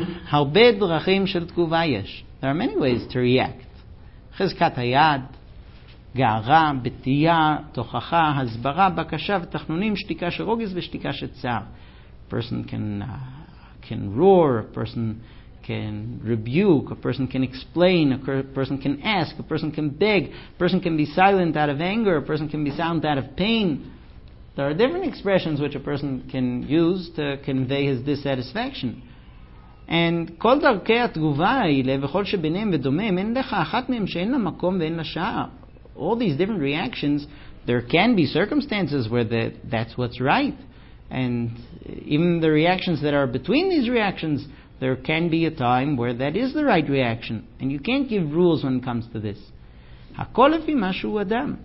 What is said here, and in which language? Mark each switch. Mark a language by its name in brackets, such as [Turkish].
[Hebrew] הרבה דרכים של תגובה יש. [English] There are many ways to react. [Hebrew] חזקת היד, גערה, בתייה, תוכחה, הסברה, בקשה ותחנונים, שתיקה של רוגז ושתיקה של צער. [English] Person can roar, a person can rebuke, a person can explain, a person can ask, a person can beg, a person can be silent out of anger, a person can be silent out of pain. There are different expressions which a person can use to convey his dissatisfaction. [Hebrew] And כל דרכי התגובה האלה וכל שביניהם ודומיהם אין לך אחת מהם שאין לה מקום ואין לה שעה. [English] All these different reactions, there can be circumstances where that's what's right. And even the reactions that are between these reactions, there can be a time where that is the right reaction. And you can't give rules when it comes to this. [Hebrew] הכל לפי מה שהוא אדם.